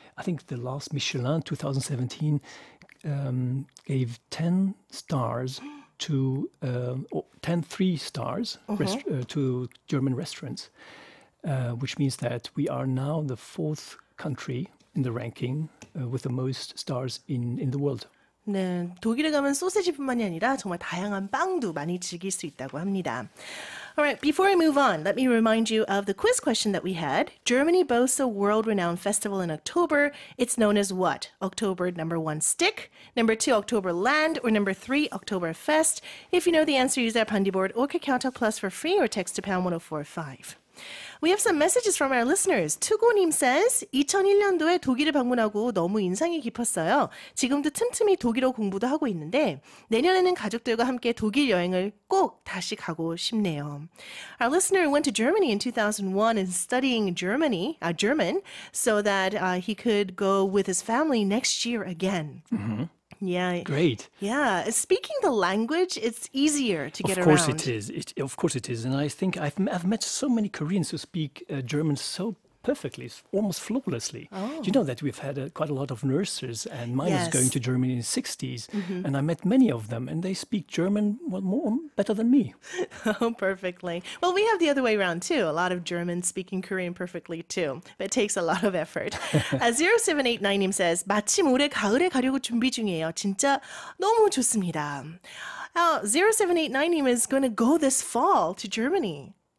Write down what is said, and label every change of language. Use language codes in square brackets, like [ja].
[en] I think the last Michelin 2017 gave 10 stars to 10 three stars to German restaurants, which means that we are now the fourth country in the ranking with the most stars in the world. [ko] 네, 독일에 가면 소시지뿐만이 아니라 정말 다양한 빵도 많이 즐길 수 있다고 합니다. [en] All right, before I move on, let me remind you of the quiz question that we had. Germany boasts a world-renowned festival in October. It's known as what? October, number one, stick. Number two, October land. Or number three, October fest. If you know the answer, use our Bandi board or KakaoTalk Plus for free or text to pound 1045. We have some messages from our listeners. [ko] 투고님 [en] says, [ko] 2001년도에 독일을 방문하고 너무 인상이 깊었어요. 지금도 틈틈이 독일어 공부도 하고 있는데 내년에는 가족들과 함께 독일 여행을 꼭 다시 가고 싶네요. [en] Our listener went to Germany in 2001 and studying German, so that he could go with his family next year again. Mm-hmm. Yeah. Great. Yeah. Speaking the language, it's easier to get around. Of course it is. Of course it is. And I think I've met so many Koreans who speak German so perfectly, almost flawlessly. Oh. Do you know that we've had quite a lot of nurses, and mine yes. was going to Germany in the 60s, mm-hmm. and I met many of them, and they speak German well, more better than me. Oh, perfectly. Well, we have the other way around, too. A lot of Germans speaking Korean perfectly, too. But it takes a lot of effort. [ko] 0789님 [en] says, [ko] 마침 올해 가을에 가려고 준비 중이에요. 진짜 너무 좋습니다. [en] 0789님 is going to go this fall to Germany.